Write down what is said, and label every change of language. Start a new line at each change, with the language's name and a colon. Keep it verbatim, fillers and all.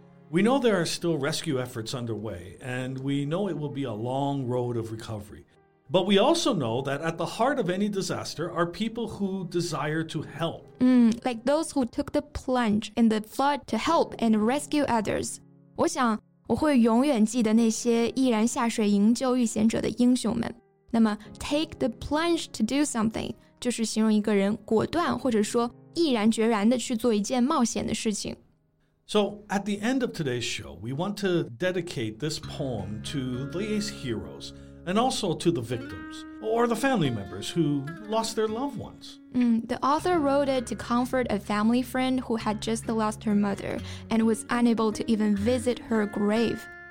English: We know there are still rescue efforts underway, and we know it will be a long road of recovery. But we also know that at the heart of any disaster are people who desire to help. Mm, like those who took the plunge in the flood to help and rescue others.
Chinese: 我想我会永远记得那些毅然下水营救遇险者的英雄们。那么
English: take the plunge to do something.
Chinese: 就是形容一个人果断或者说毅然决然地去做一件冒险的事情。
English: So, at the end of today's show, we want to dedicate this poem to these heroes and also to the victims or the family members who lost their loved ones. Mm, the author wrote it to comfort a family friend who had just lost her mother and was unable to even visit her grave.